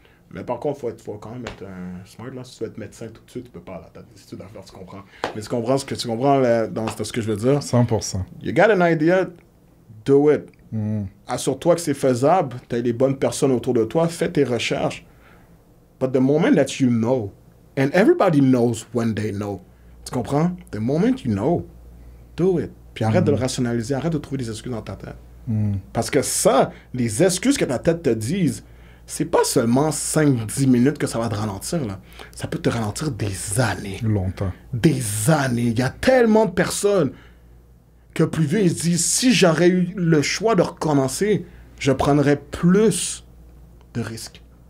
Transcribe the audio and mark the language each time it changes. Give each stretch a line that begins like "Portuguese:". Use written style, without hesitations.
French: Mais par contre, faut quand même être un smart, là. Si tu veux être médecin tout de suite, tu peux pas, là. T'as des études à faire, tu comprends. Mais tu comprends là, dans ce que je veux dire? 100%.
English: You got an idea, do it.
French: Assure-toi que c'est faisable, t'as les bonnes personnes autour de toi, fais tes recherches.
English: But the moment that you know, and everybody knows when they know,
French: tu comprends?
English: The moment you know, do it.
French: Puis arrête de le rationaliser, arrête de trouver des excuses dans ta tête. Parce que ça, les excuses que ta tête te dise, c'est pas seulement 5-10 minutes que ça va te ralentir, là. Ça peut te ralentir des années. Longtemps. Des années. Il y a tellement de personnes que plus vieux, ils se disent, si j'aurais eu le choix de recommencer, je prendrais plus de risques.